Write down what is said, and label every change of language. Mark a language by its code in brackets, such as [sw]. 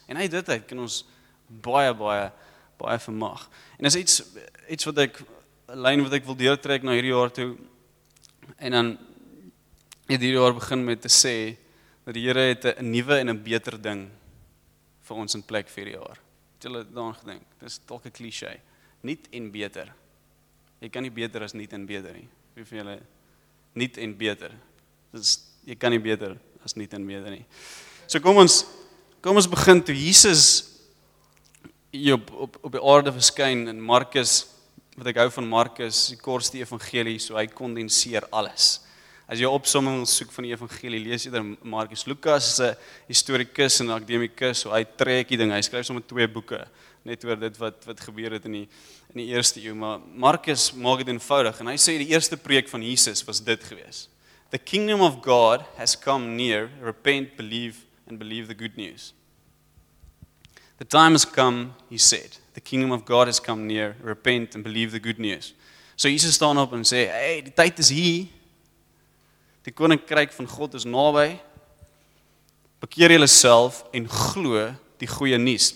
[af] En uit dit uit kan ons baie, baie, baie vermag. En is iets wat ek, een lijn wat ek wil deurtrek na hierdie jaar toe, en dan het hierdie jaar begin met te sê, dat die Here het 'n nuwe en 'n beter ding vir ons in plek vir die jaar. Het julle daaraan gedink? Dit is dalk 'n klise. Niet en beter. Jy kan nie beter as niet en beter nie. Wie van julle? Niet en beter. Dit is, jy kan nie beter as niet en beter nie. So kom ons begin toe Jesus op die aarde verskyn in Markus, wat ek hou van Markus, die kortste evangelie, so hy kondenseer alles. As jy opsomming soek van die evangelie, lees jy Markus. Lukas is 'n historikus en akademikus, so hy trek die ding, hy skryf sommer twee boeke, net oor dit wat gebeur het in die eerste eeuw, maar Markus maak dit eenvoudig, en hy sê die eerste preek van Jesus was dit gewees. [en] The kingdom of God has come near, repent, believe, and believe the good news. The time has come, he said. The kingdom of God has come near, repent, and believe the good news. [af] So Jesus staan op en sê, hey, die tyd is hier, die koninkryk van God is naby, bekeer julle self en glo die goeie nuus.